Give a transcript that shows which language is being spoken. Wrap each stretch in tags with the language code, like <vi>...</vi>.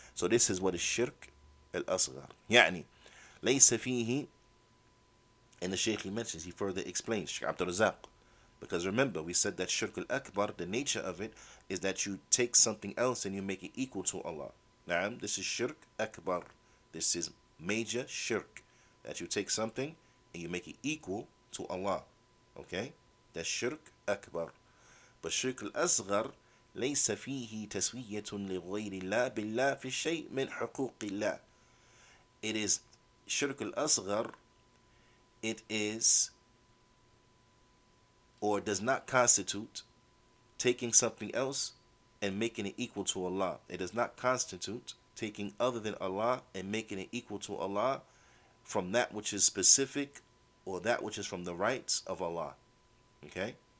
<en>So this is what is shirk al-asghar.</en> <ar>Ya'ni, laysa fihi,</ar> <en>and the Shaykh he mentions, he further explains, Shaykh Abdul Razak, because remember, we said that shirk al-akbar, the nature of it is that you take something else and you make it equal to Allah. Naam, this is shirk akbar. This is major shirk. That you take something and you make it equal to Allah. Okay? That's shirk akbar. But shirk al-asghar,</en> <ar>ليس فيه تسوية لغير الله بالله في شيء من حقوق الله.</ar> <en>It is shirk al-asghar. It is, or does not constitute, taking something else and making it equal to Allah. It does not constitute taking other than Allah and making it equal to Allah from that which is specific or that which is from the rights of Allah. Okay?</en>